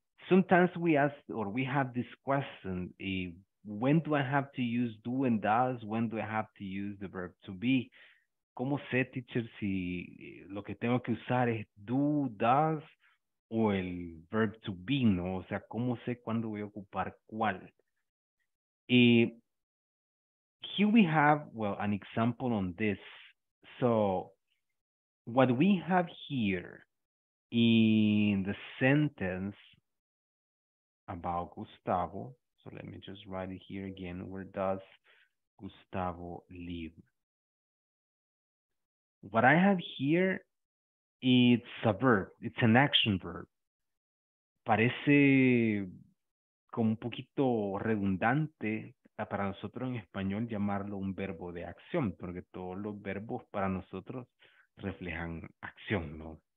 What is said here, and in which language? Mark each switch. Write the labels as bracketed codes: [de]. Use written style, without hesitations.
[en] Sometimes we ask or we have this question, when do I have to use do and does? When do I have to use the verb to be? [es] ¿Cómo sé, teacher, si lo que tengo que usar es do, does? O el verb to be, ¿no? O sea, ¿cómo sé cuándo voy a ocupar cuál? [en] Here we have, well, an example on this. So, what we have here in the sentence about Gustavo, so let me just write it here again, where does Gustavo live? What I have here, it's a verb, it's an action verb. [es] Parece como un poquito redundante para nosotros en español llamarlo un verbo de acción, porque todos los verbos para nosotros reflejan acción, ¿no?